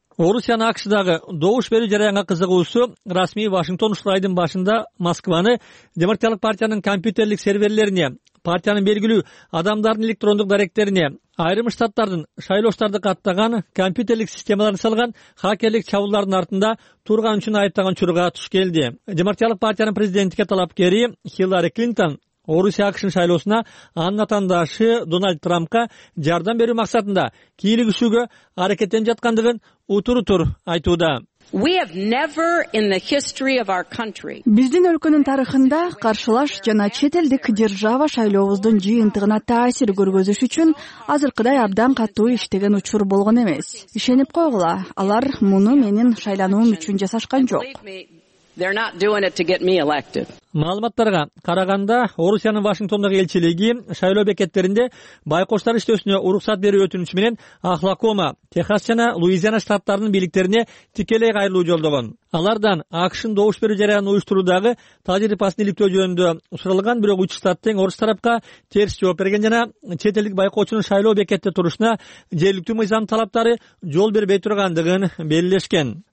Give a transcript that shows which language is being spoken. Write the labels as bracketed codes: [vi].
[ky] Орусиянын АКШдагы добуш берүү жараянга кызыгуусу расмий Вашингтон шайлоонун башында Москваны Демократиялык партиянын компьютерлик серверлерине, партиянын белгилүү адамдарынын электрондук даректерине, айрым штаттардын шайлоочуларды каттаган компьютерлик системаларын салган хакерлик чабуулдардын артында турган үчүн айыптаган чурга туш келди. Демократиялык партиянын президенттикке талапкери Хиллари Клинтон Орусия АКШнын шайлоосуна анын атаандашы Дональд Трампка жардам берүү максатында кийлигишүүгө аракеттенип жаткандыгын утур-утур айтууда. [en] We have never in the history of our country. [ky] Биздин өлкөнүн тарыхында каршылаш жана чет элдик держава шайлообуздун жыйынтыгына таасир көргөзүш үчүн азыркыдай абдан катуу иштеген учур болгон эмес. Ишенип койгула, алар муну менин шайлануум үчүн жасашкан жок. [en] They're not doing it to get me elected. [ky] Маалыматтарга караганда, Орусиянын Вашингтондогу элчилиги шайлоо бекеттеринде байкоочтор иштөөсүнө уруксат берүү өтүнүчү менен Оклахома, Техас жана Луизиана штаттарынын бийликтерине тикелей кайрылуу жолдогон. Алардан АКШнын добуш берүү жараянын уюштуруудагы тажрыйбасын иликтөө жөнүндө суралган, бирок үч штат тең орус тарапка терс жооп берген жана чет элдик байкоочунун шайлоо бекетте турушуна жергиликтүү мыйзам талаптары жол бербей тургандыгын белгилешкен.